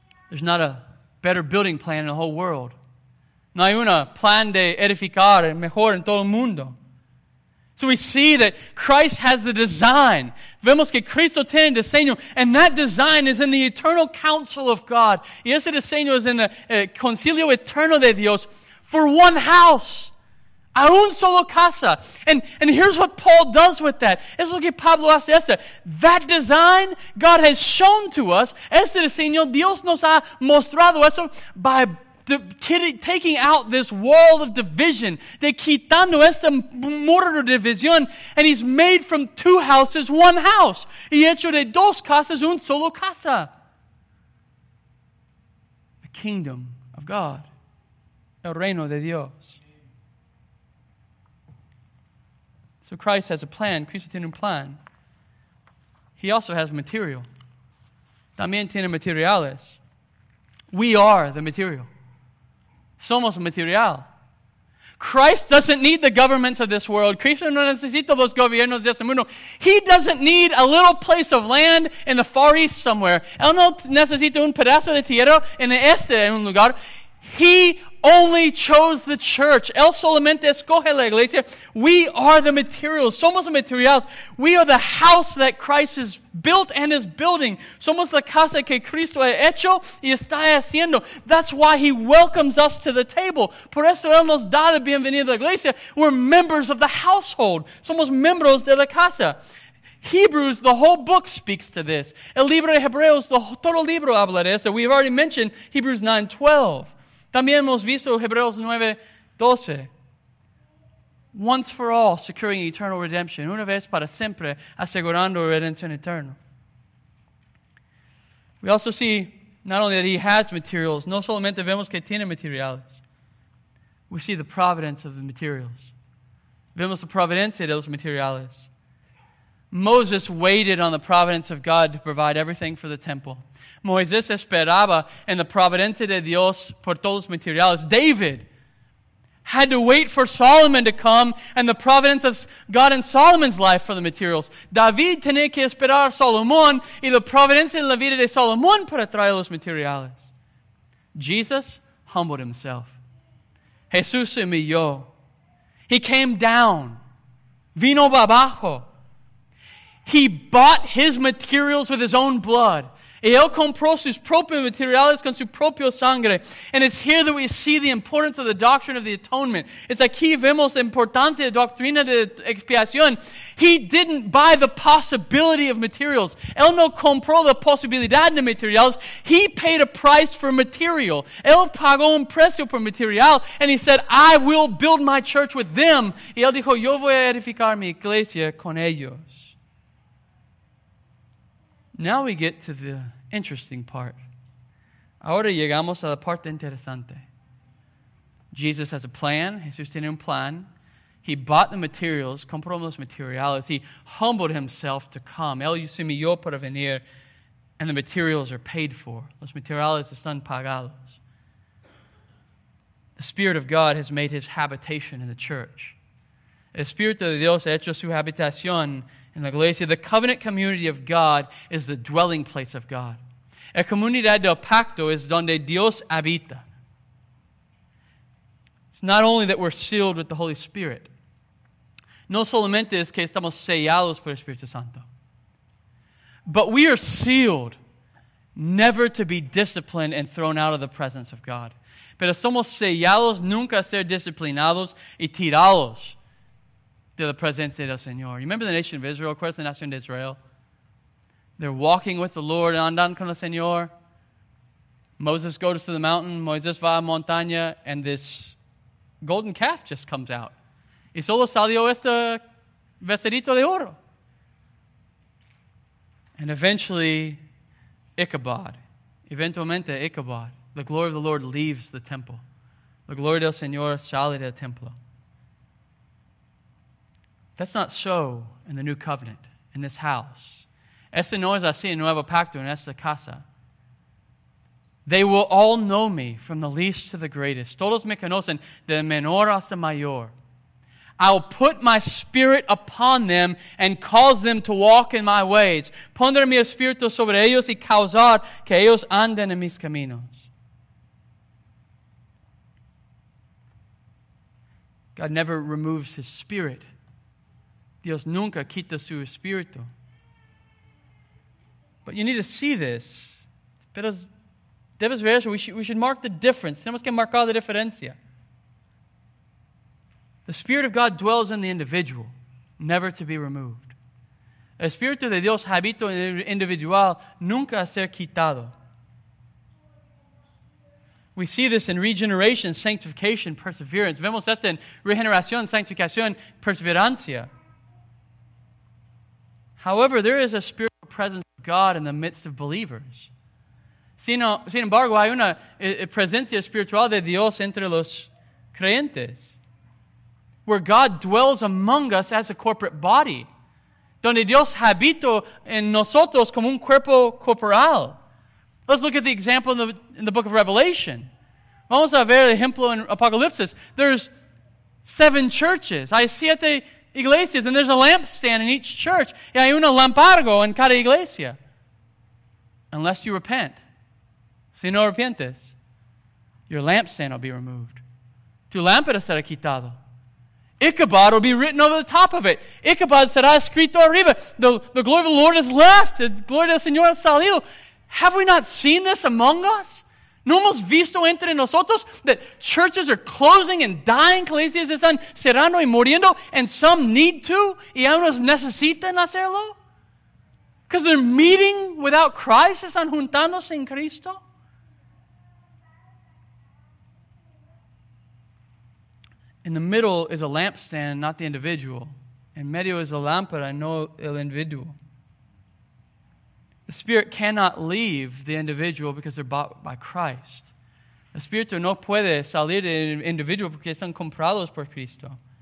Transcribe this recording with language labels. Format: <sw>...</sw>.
<en>There's not a better building plan in the whole world.</en> <es>No hay un plan de edificar mejor en todo el mundo.</es> <en>So we see that Christ has the design.</en> <es>Vemos que Cristo tiene el diseño.</es> <en>And that design is in the eternal counsel of God.</en> <es>Y ese diseño es en el concilio eterno de Dios.</es> <en>For one house.</en> <es>A un solo casa.</es> <en>And here's what Paul does with that.</en> <es>Es lo que Pablo hace esta.</es> <en>That design God has shown to us.</en> <es>Este diseño Dios nos ha mostrado esto</es> <en>by taking out this wall of division.</en> <es>De quitando esta muro de división.</es> <en>And he's made from two houses one house.</en> <es>Y hecho de dos casas un solo casa.</es> <en>The kingdom of God.</en> <es>El reino de Dios.</es> <en>So Christ has a plan.</en> <es>Cristo tiene un plan.</es> <en>He also has material.</en> <es>También tiene materiales.</es> <en>We are the material.</en> <es>Somos material.</es> <en>Christ doesn't need the governments of this world.</en> <es>Cristo no necesita los gobiernos de este mundo.</es> <en>He doesn't need a little place of land in the Far East somewhere.</en> <es>Él no necesita un pedazo de tierra en este en un lugar.</es> <en>He only chose the church.</en> <es>Él solamente escoge la iglesia.</es> <en>We are the materials.</en> <es>Somos materiales.</es> <en>We are the house that Christ has built and is building.</en> <es>Somos la casa que Cristo ha hecho y está haciendo.</es> <en>That's why he welcomes us to the table.</en> <es>Por eso él nos da la bienvenida a la iglesia.</es> <en>We're members of the household.</en> <es>Somos miembros de la casa.</es> <en>Hebrews, the whole book speaks to this.</en> <es>El libro de Hebreos, the todo libro habla de eso.</es> <en>We've already mentioned Hebrews 9:12.</en> <es>También hemos visto Hebreos 9:12.</es> <en>Once for all, securing eternal redemption.</en> <es>Una vez para siempre, asegurando redención eterna.</es> <en>We also see not only that he has materials,</en> <es>no solamente vemos que tiene materiales.</es> <en>We see the providence of the materials.</en> <es>Vemos la providencia de los materiales.</es> <en>Moses waited on the providence of God to provide everything for the temple.</en> <es>Moisés esperaba en la providencia de Dios por todos los materiales.</es> <en>David had to wait for Solomon to come and the providence of God in Solomon's life for the materials.</en> <es>David tenía que esperar a Salomón y la providencia en la vida de Salomón para traer los materiales.</es> <en>Jesus humbled himself.</en> <es>Jesús se humilló.</es> <en>He came down.</en> <es>Vino abajo.</es> <en>He bought his materials with his own blood.</en> <es>Y él compró sus propios materiales con su propio sangre.</es> <en>And it's here that we see the importance of the doctrine of the atonement.</en> <es>It's aquí vemos la importancia de la doctrina de expiación.</es> <en>He didn't buy the possibility of materials.</en> <es>Él no compró la posibilidad de materiales.</es> <en>He paid a price for material.</en> <es>Él pagó un precio por material.</es> <en>And he said, I will build my church with them.</en> <es>Y él dijo, yo voy a edificar mi iglesia con ellos.</es> <en>Now we get to the interesting part.</en> <es>Ahora llegamos a la parte interesante.</es> <en>Jesus has a plan. Jesús tiene un plan. He bought the materials,</en> <es>compró los materiales.</es> <en>He humbled himself to come.</en> <es>Él se humilló para venir.</es> <en>And the materials are paid for.</en> <es>Los materiales están pagados.</es> <en>The Spirit of God has made his habitation in the church.</en> <es>El Espíritu de Dios ha hecho su habitación en la iglesia.</es> <en>The covenant community of God is the dwelling place of God.</en> <es>La comunidad del pacto es donde Dios habita.</es> <en>It's not only that we're sealed with the Holy Spirit.</en> <es>No solamente es que estamos sellados por el Espíritu Santo.</es> <en>But we are sealed never to be disciplined and thrown out of the presence of God.</en> <es>Pero somos sellados nunca ser disciplinados y tirados de la presencia del Señor.</es> <en>Remember the nation of Israel?</en> <es>¿Recuerdas la nación de Israel?</es> <en>They're walking with the Lord,</en> <es>andan con el Señor.</es> <en>Moses goes to the mountain,</en> <es>Moisés va a montaña,</es> <en>and this golden calf just comes out.</en> <es>Y solo salió este vestidito de oro.</es> <en>And eventually, Ichabod, the glory of the Lord leaves the temple. The glory</en> <es>del Señor sale del templo.</es> <en>That's not so in the new covenant, in this house.</en> <es>Este no es así en nuevo pacto, en esta casa.</es> <en>They will all know me from the least to the greatest.</en> <es>Todos me conocen de menor hasta mayor.</es> <en>I'll put my spirit upon them and cause them to walk in my ways.</en> <es>Pondré mi espíritu sobre ellos y causar que ellos anden en mis caminos.</es> <en>God never removes his spirit.</en> <es>Dios nunca quita su espíritu.</es> <en>But you need to see this.</en> <es>Pero debes ver eso.</es> <en>We should mark the difference.</en> <es>Tenemos que marcar la diferencia.</es> <en>The Spirit of God dwells in the individual, never to be removed.</en> <es>El Espíritu de Dios habita en el individual, nunca a ser quitado.</es> <en>We see this in regeneration, sanctification, perseverance.</en> <es>Vemos esto en regeneración, sanctificación, perseverancia.</es> <en>However, there is a spiritual presence of God in the midst of believers.</en> <es>Sin embargo, hay una presencia espiritual de Dios entre los creyentes.</es> <en>Where God dwells among us as a corporate body.</en> <es>Donde Dios habita en nosotros como un cuerpo corporal.</es> <en>Let's look at the example in the book of Revelation.</en> <es>Vamos a ver el ejemplo en Apocalipsis.</es> <en>There's seven churches.</en> <es>Hay siete iglesias.</es> <en>And there's a lampstand in each church.</en> <es>Y hay un lampargo en cada iglesia.</es> <en>Unless you repent.</en> <es>Si no arrepientes,</es> <en>your lampstand will be removed.</en> <es>Tu lámpara será quitado.</es> <en>Ichabod will be written over the top of it.</en> <es>Ichabod será escrito arriba.</es> <en>The glory of the Lord is left. The glory</en> <es>del Señor ha salido.</es> <en>Have we not seen this among us?</en> <es>¿No hemos visto entre nosotros</es> <en>that churches are closing and dying?</en> <es>Iglesias están cerrando y muriendo.</es> <en>And some need to.</en> <es>Y algunos necesitan hacerlo.</es> <en>Because they're meeting without Christ.</en> <es>Están juntándose en Cristo.</es> <en>In the middle is a lampstand, not the individual.</en> <es>En medio es la lámpara, no el individuo.</es> <en>The Spirit cannot leave the individual because they're bought by Christ.</en> <es>El Espíritu no puede salir del individuo porque están comprados por Cristo.</es>